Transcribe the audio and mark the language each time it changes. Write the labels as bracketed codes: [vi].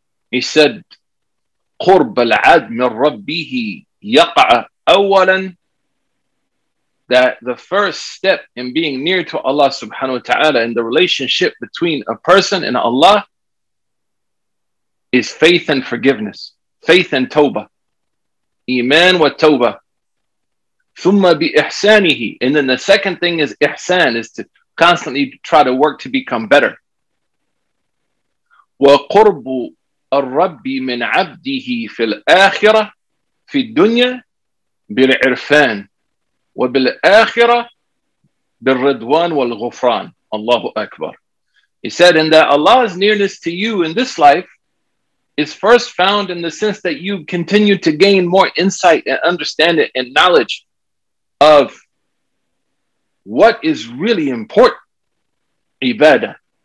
[en] He said, [ar] قرب العبد من ربه يقع أولا, [en] that the first step in being near to Allah subhanahu wa ta'ala in the relationship between a person and Allah is faith and forgiveness, faith and tawbah, iman wa tawbah, [ar] ثم بإحسانه. [en] And then the second thing is ihsan, is to constantly try to work to become better. [ar] وقرب الرب من عبده في الآخرة في الدنيا بالعرفان وبالآخرة بالردوان والغفران. Allahu Akbar. [en] He said, and that Allah's nearness to you in this life is first found in the sense that you continue to gain more insight and understanding and knowledge of what is really important, ibadah.